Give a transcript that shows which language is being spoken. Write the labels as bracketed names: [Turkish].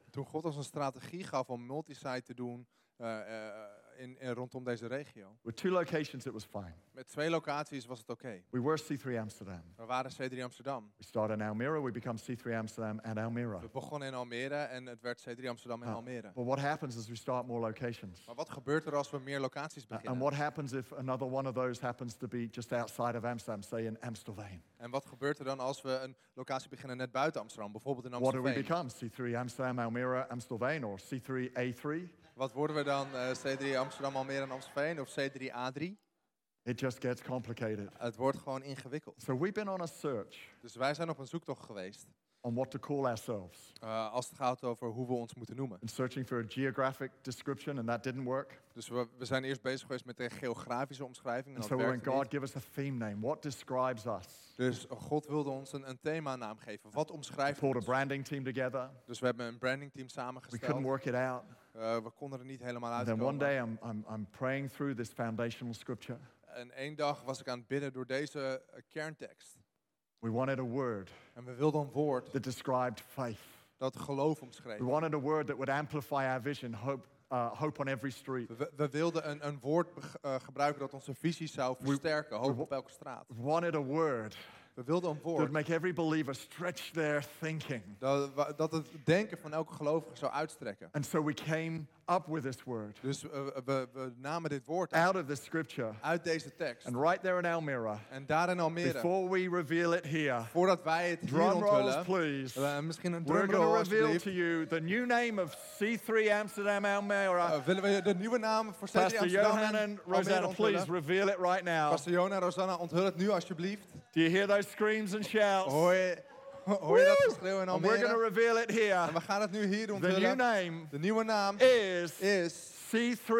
[Dutch] Toen God ons een strategie gaf om multi-site te doen in rondom deze regio. [English] With 2 locations it was fine. [Dutch] Met 2 locaties was het oké. [English] We were C3 Amsterdam. [Dutch] We waren C3 Amsterdam. [English] We started in Almere, we become C3 Amsterdam and Almere. [Dutch] We begonnen in Almere en het werd C3 Amsterdam en Almere. [English] But what happens as we start more locations? [Dutch] Maar wat gebeurt er als we meer locaties beginnen? [English] And what happens if another one of those happens to be just outside of Amsterdam, say in Amstelveen? [Dutch] En wat gebeurt er dan als we een locatie beginnen net buiten Amsterdam, bijvoorbeeld in Amstelveen? [English] What do we become? C3 Amsterdam, Almere, Amstelveen or C3 A3? [Dutch] Wat worden we dan? C3 Amsterdam, Almere en Amstelveen of C3 A3? [English] It just gets complicated. [Dutch] Het wordt gewoon ingewikkeld. [English] So we've been on a search. [Dutch] Dus wij zijn op een zoektocht geweest. [English] On what to call ourselves. [Dutch] Als het gaat over hoe we ons moeten noemen. [English] And searching for a geographic description and that didn't work. [Dutch] Dus we zijn eerst bezig geweest met een geografische omschrijving en dat werkte niet. [English] So when God gave us a theme name, what describes us? [Dutch] Dus God wilde ons een themanaam geven. Wat omschrijft ons? [English] We pulled a branding team together. [Dutch] Dus we hebben een branding team samengesteld. [English] We couldn't work it out. [Dutch] We konden er niet helemaal uitkomen. [English] And then one day I'm praying through this foundational scripture. [Dutch] En één dag was ik aan het bidden door deze kerntekst. [English] We wanted a word. [Dutch] En we wilden een woord. [English] That described faith. [Dutch] Dat geloof omschreef. [English] We wanted a word that would amplify our vision, hope on every street. [Dutch] We wilden een woord gebruiken dat onze visie zou versterken, hoop op elke straat. [English] We wanted a word. [Dutch] We wilden een woord. [English] That make every believer stretch their thinking. [Dutch] Dat het denken van elke gelovige zou uitstrekken. [English] And so we came up with this word. [Dutch] Dus we namen dit woord [English] uit. Out of the scripture. [Dutch] Uit deze tekst. [English] And right there in Almere. [Dutch] En daar in Almere. [English] Before we reveal it here. [Dutch] Voordat wij het hier onthullen. [English] Drum rolls, please. [Dutch] Misschien een drumroll. [English] We're going to reveal to you the new name of C3 Amsterdam Almere. [Dutch] Willen we de nieuwe naam voor C3 Amsterdam? [English] Pastor Johan en Rosanna, please reveal it right now. [Dutch] Pastor Johan en Rosanna, onthul het nu alsjeblieft. [English] Do you hear those screams and shouts? [Dutch] Hoor je dat geschreeuw in Almere? [English] We're going to reveal it here. [Dutch] En we gaan het nu hier onthullen. [English] The new name. [Dutch] De nieuwe naam [English] is C3.